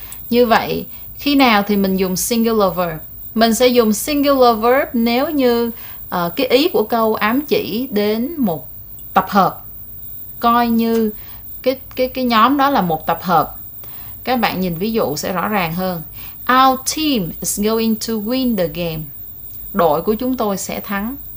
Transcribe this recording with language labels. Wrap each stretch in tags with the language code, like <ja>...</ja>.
<vi>Như vậy, khi nào thì mình dùng singular verb? Mình sẽ dùng singular verb nếu như cái ý của câu ám chỉ đến một tập hợp. Coi như cái nhóm đó là một tập hợp. Các bạn nhìn ví dụ sẽ rõ ràng hơn.</vi> <en>Our team is going to win the game.</en> <vi>Đội của chúng tôi sẽ thắng.</vi>